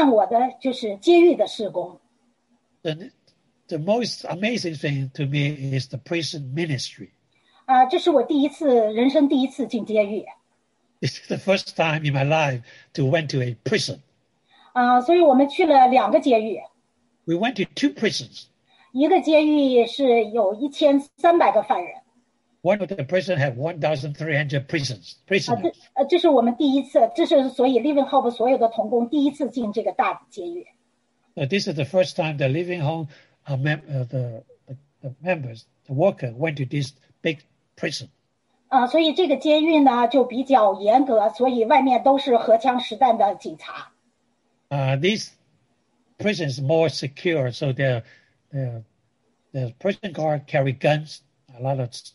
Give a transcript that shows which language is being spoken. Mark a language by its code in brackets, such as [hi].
[zh] 其实震撼我的就是监狱的事工。 [en] The most amazing thing to me is the prison ministry. [zh] 这是我第一次，人生第一次进监狱。 [en] This is the first time in my life to went to a prison. [zh] 所以我们去了两个监狱。 [en] We went to two prisons. [zh] 一个监狱是有1300个犯人。 [en] One of the prisons had 1,300 prisoners. [zh] 这是我们第一次，这是所以 Living Hope 所有的同工第一次进这个大监狱。 [en] This is the first time the Living Home the members, the worker went to this big prison. [zh] 所以这个监狱呢就比较严格，所以外面都是荷枪实弹的警察。 [en] This prison is more secure, so the prison guard carry guns, a lot of.